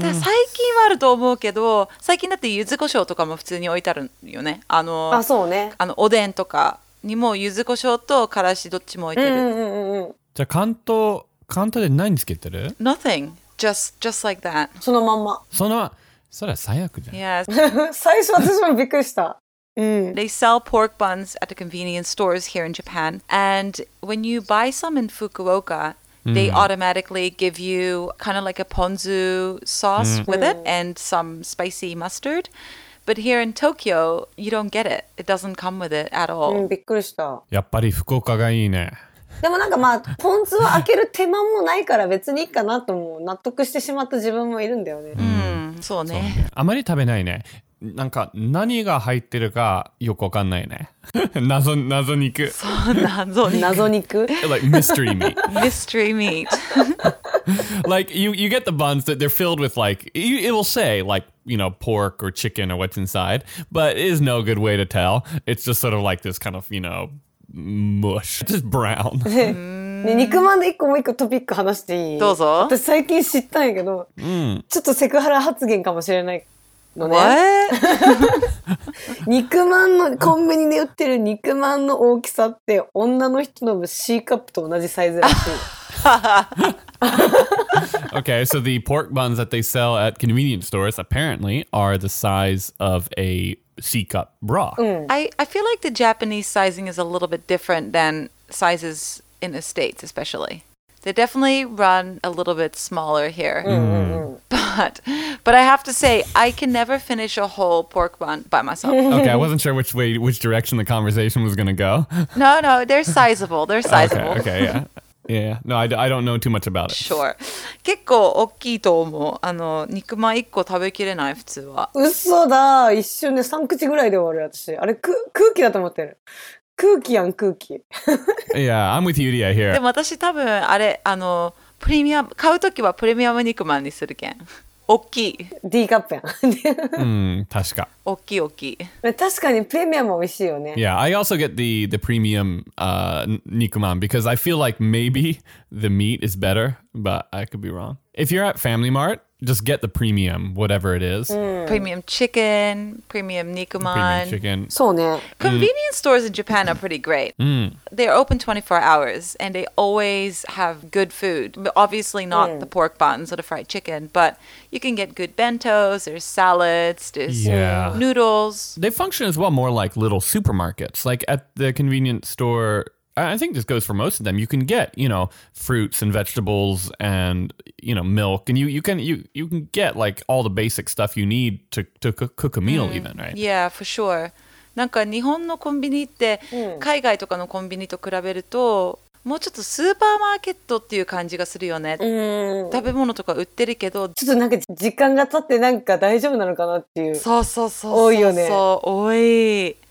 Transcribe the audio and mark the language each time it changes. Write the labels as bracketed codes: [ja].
[ja] だ最近はあると思うけど、最近だって柚子胡椒とかも普通に置いてあるよね。あ、そうね。あの、おでんとかにも柚子胡椒とからしどっちも置いてる。うんうんうんうん。じゃあ関東で何つけてる [en] ?Nothing. Just like that. [ja] そのまんま。そのまま、それは最悪じゃん。いや、最初私もびっくりした。 [en] They sell pork buns at the convenience stores here in Japan. And when you buy some in Fukuoka, they automatically give you kind of like a ponzu sauce with it and some spicy mustard. But here in Tokyo, you don't get it. It doesn't come with it at all. [ja] びっくりした。やっぱり福岡がいいね。でもなんかまあ、ポン酢を開ける手間もないから別にいいかなと思う。納得してしまった自分もいるんだよね。そうね。あまり食べないね。なんか何が入ってるかよくわかんないね。謎肉。そう、謎肉。 [en] Like mystery meat. Mystery meat. Like you get the buns that they're filled with like, it will say like, you know, pork or chicken or what's inside, but it is no good way to tell. It's just sort of like this kind of, you know, mush. Just brown. [ja] 肉まんで一個もう一個トピック話していい？どうぞ。私最近知ったんやけど、ちょっとセクハラ発言かもしれない。のね、肉まんのコンビニで売ってる肉まんの大きさって女の人の C カップと同じサイズらしい。 [en] Okay, so the pork buns that they sell at convenience stores apparently are the size of a C cup bra.、 [ja] うん、 [en] I feel like the Japanese sizing is a little bit different than sizes in the States, especially. They definitely run a little bit smaller here. But I have to say, I can never finish a whole pork bun by myself. Okay, I wasn't sure which direction the conversation was going to go. No, they're sizable. They're sizable. Okay, yeah. Yeah, no, I don't know too much about it. [ja] Sure. 結構大きいと思う。あの、肉まん一個食べきれない、普通は。嘘だ。一瞬で3口ぐらいで終わる、私。あれ、空気だと思ってる。空気やん、空気。 [en] Yeah, I'm with Yuria here. [ja] でも私多分、あれ、あの、プレミアム買うときはプレミアム肉まんにするけん。大きい。 D カップやん。うん、確か。大きい大きい。確かにプレミアム美味しいよね。 [en] Yeah, I also get the premium, 肉まん because I feel like maybe the meat is better, but I could be wrong. If you're at Family Mart,Just get the premium, whatever it is.、 Mm. Premium chicken, premium nikuman. Premium chicken. So, ne. Convenience、mm. stores in Japan are pretty great.、 Mm. They're open 24 hours and they always have good food. Obviously, not、mm. the pork buns or the fried chicken, but you can get good bentos, there's salads, there's、yeah. noodles. They function as well more like little supermarkets. Like at the convenience store, I think this goes for most of them. You can get, you know, fruits and vegetables and. You know, milk, and you can get like all the basic stuff you need to cook a meal,、mm. even, right? Yeah, for sure. [ja] なんか日本のコンビニって、mm. 海外とかのコンビニと比べると、もうちょっとスーパーマーケットっていう感じがするよね。 Mm. 食べ物とか売ってるけど、ちょっとなんか時間が経ってなんか大丈夫なのかなっていう。そうそうそう。多いよね。そう、多い。